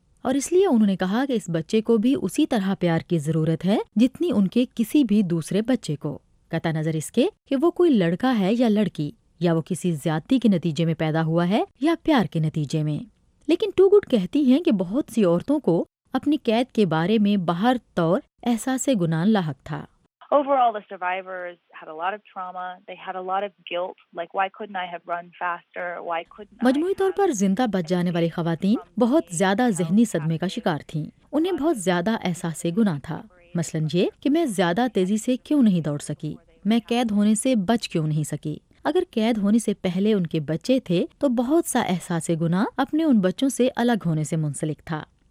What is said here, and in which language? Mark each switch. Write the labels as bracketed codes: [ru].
[ur] اور اس لیے انہوں نے کہا کہ اس بچے کو بھی اسی طرح پیار کی ضرورت ہے جتنی ان کے کسی بھی دوسرے بچے کو، قطع نظر اس کے کہ وہ کوئی لڑکا ہے یا لڑکی، یا وہ کسی زیادتی کے نتیجے میں پیدا ہوا ہے یا پیار کے نتیجے میں۔ لیکن ٹو گڈ کہتی ہیں کہ بہت سی عورتوں کو اپنی قید کے بارے میں باہر طور احساس گناہ لاحق تھا۔ [en] overall, the survivors had a lot of trauma. They had a lot of guilt. Like, why couldn't I have run faster? Why couldn't I? [ur] مجموعی طور پر زندہ بچ جانے والی خواتین بہت زیادہ ذہنی صدمے کا شکار تھیں. انہیں بہت زیادہ احساس گناہ تھا. مثلاً یہ کہ میں زیادہ تیزی سے کیوں نہیں دوڑ سکی؟ میں قید ہونے سے بچ کیوں نہیں سکی؟ اگر قید ہونے سے پہلے ان کے بچے تھے تو بہت سا احساس گناہ اپنے ان بچوں سے الگ ہونے سے منسلک تھا.